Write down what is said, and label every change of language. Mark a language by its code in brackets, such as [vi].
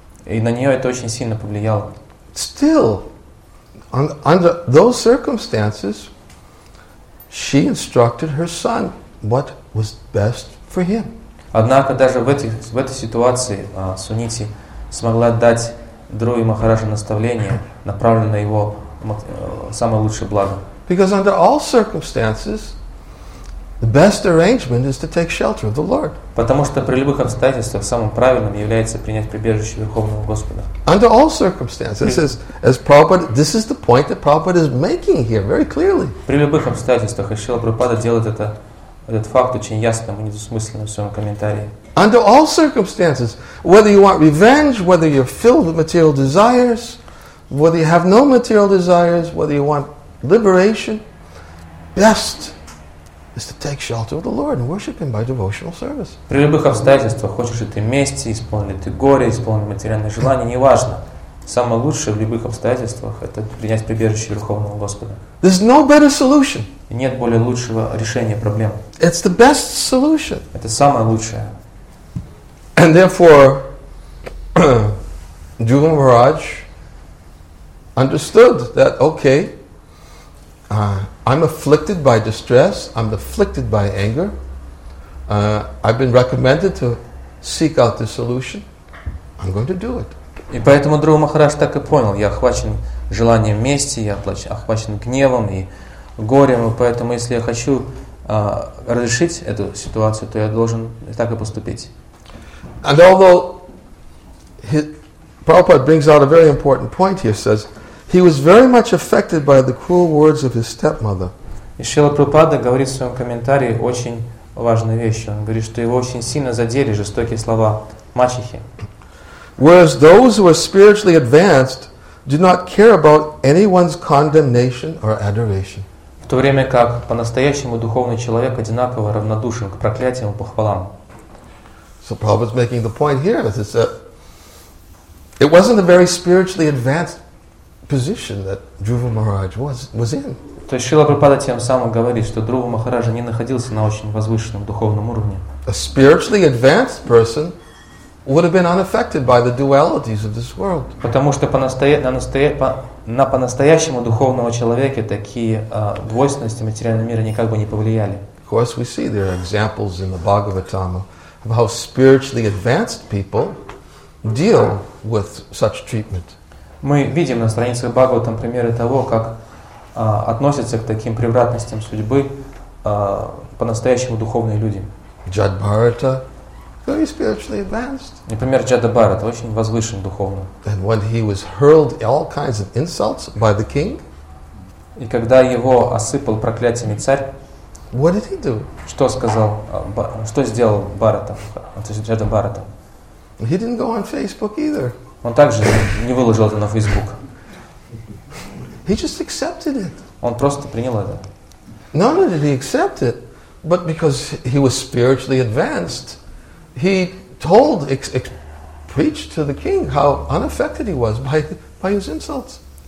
[ru] И на нее это очень сильно повлияло. [en] Still, under those circumstances, she instructed her son what was best for him. [ru] Однако даже в этой ситуации Сунити смогла дать Друве Махараджу наставление, направленное на его самое лучшее благо. [en] Because under all circumstances, The best arrangement is to take shelter of the Lord. [ru] Потому что при любых обстоятельствах самым правильным является принять прибежище Верховного Господа. [en] Under all circumstances, as Prabhupada, this is the point that Prabhupada is making here very clearly. [ru] При любых обстоятельствах Шрила Прабхупада делает этот факт очень ясным и недвусмысленным в своем комментарии. [en] Under all circumstances, whether you want revenge, whether you're filled with material desires, whether you have no material desires, whether you want liberation, best is to take shelter of the Lord and worship Him by devotional service. [ru] При любых обстоятельствах, хочешь ли ты мести, исполнен ли ты горе, исполнен ли материальные желания, неважно. Самое лучшее в любых обстоятельствах это принять прибежище Верховного Господа. [en] There's no better solution. [ru] Нет более лучшего решения проблем. [en] It's the best solution. [ru] Это самое лучшее. [en] And therefore, Dhruva Maharaj understood that, okay, I'm afflicted by distress, I'm afflicted by anger, I've been recommended to seek out the solution, I'm going to do it. [ru] И поэтому Друва Махарадж так и понял, я охвачен желанием мести, я охвачен гневом и горем, и поэтому если я хочу разрешить эту ситуацию, то я должен так и поступить. [en] And although Prabhupada brings out a very important point here, says he was very much affected by the cruel words of his stepmother. [ru] И Шрила Прабхупада говорит в своем комментарии очень важную вещь. Он говорит, что его очень сильно задели жестокие слова мачехи. [en] Whereas those who are spiritually advanced do not care about anyone's condemnation or adoration. [ru] В то время как по-настоящему духовный человек одинаково равнодушен к проклятиям и похвалам. [en] So Prabhupada's making the point here that it wasn't a very spiritually advanced position that Dhruva Maharaj was in. [ru] То есть Шрила Прабхупада тем самым говорит, что Друва Махараджа не находился на очень возвышенном духовном уровне. [en] A spiritually advanced person would have been unaffected by the dualities of this world. [ru] Потому что по-настоящему духовного человека такие двойственности материального мира никак бы не повлияли. [en] Of course, we see there are examples in the Bhagavatama of how spiritually advanced people deal with such treatment. [ru] Мы видим на страницах Бхагаватам примеры того, как относятся к таким превратностям судьбы по-настоящему духовные люди. [en] Jada Bharata, very spiritually advanced. [ru] Например, Jada Bharata, очень возвышен духовно. [en] And when he was hurled all kinds of insults by the king, [ru] и когда его осыпал проклятиями царь, [en] what did he do? [ru] Что сказал, что сделал Бхарата, то есть Джада Бхарата? [en] He didn't go on Facebook either. [ru] Он также не выложил это на Facebook. [en] He just accepted it. [ru] Он просто принял это. [en] Not only did he accept it, but because he was spiritually advanced, he told, preached to the king how unaffected he was by his insults.